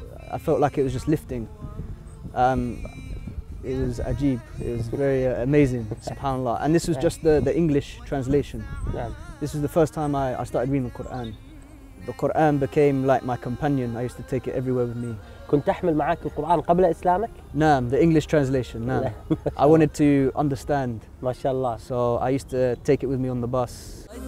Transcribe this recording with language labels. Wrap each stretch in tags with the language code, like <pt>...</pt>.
<en>I felt like it was just lifting. It was ajeeb. It was very amazing, subhanAllah. And this was just the English translation. This was the first time I started reading the Quran. The Quran became like my companion. I used to take it everywhere with me.</en> <ar>كنت تحمل معاك القرآن قبل إسلامك؟ نعم,</ar> <en>the English translation.</en> <ar>نعم.</ar> <en>I wanted to understand.</en> <ar>ما شاء الله.</ar> <en>So I used to take it with me on the bus.</en>